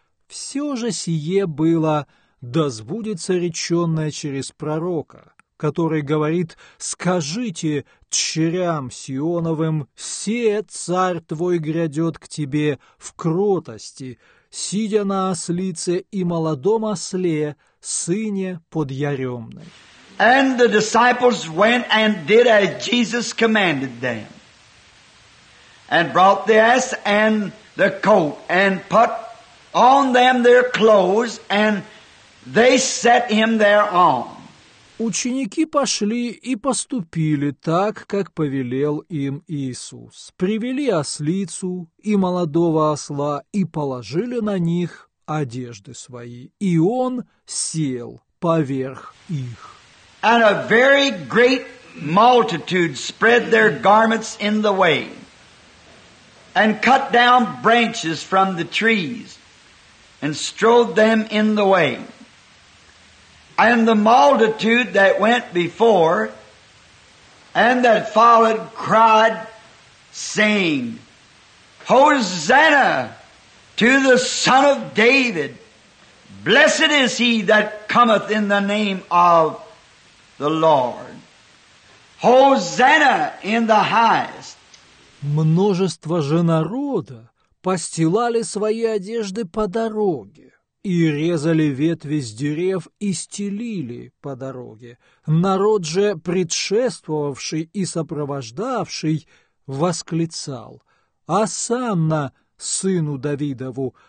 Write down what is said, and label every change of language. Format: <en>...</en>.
<ru>Все же сие было, да сбудется реченное через пророка, который говорит: «Скажите дщерям Сионовым, се царь твой грядет к тебе в кротости, сидя на ослице и молодом осле, сыне подъяремной».</ru> <en>And the disciples went and did as Jesus commanded them, and brought the ass and the colt, and put on them their clothes, and they set him thereon.</en> <ru>Ученики пошли и поступили так, как повелел им Иисус. Привели ослицу и молодого осла, и положили на них одежды свои, и он сел поверх их.</ru> <en>And a very great multitude spread their garments in the way, and cut down branches from the trees, and strewed them in the way. And the multitude that went before and that followed cried, saying, Hosanna to the Son of David! Blessed is he that cometh in the name of the Lord. Hosanna in the highest.</en> <ru>Множество же народа постилали свои одежды по дороге и резали ветви с дерев и стелили по дороге. Народ же, предшествовавший и сопровождавший, восклицал: «Осанна сыну Давидову!</ru>